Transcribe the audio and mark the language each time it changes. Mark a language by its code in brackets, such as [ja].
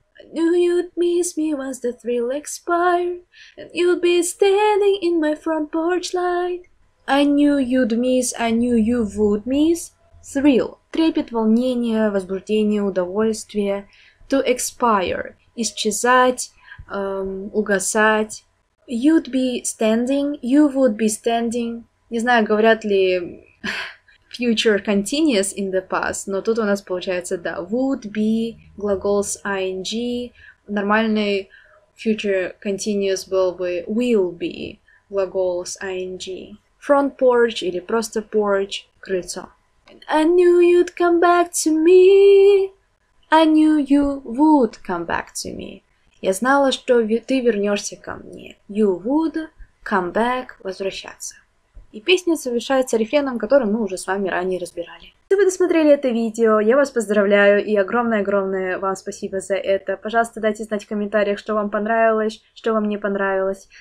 [en] I knew you'd miss me once the thrill expired, and you'd be standing in my front porch light. I knew you'd miss, I knew you would miss. [ru] Thrill — трепет, волнение, возбуждение, удовольствие. To expire — исчезать, угасать. [en] You'd be standing, you would be standing. [ru] Не знаю, говорят ли future continuous in the past, но тут у нас получается, да, would be, глагол с ing, нормальный future continuous был бы will be, глагол с ing, front porch или просто porch, крыльцо. [en] I knew you'd come back to me, I knew you would come back to me. [ru] Я знала, что ты вернешься ко мне. [en] You would come back, возвращаться. [ru] И песня завершается рефреном, который мы уже с вами ранее разбирали. Если вы досмотрели это видео, я вас поздравляю и огромное-огромное вам спасибо за это. Пожалуйста, дайте знать в комментариях, что вам понравилось, что вам не понравилось.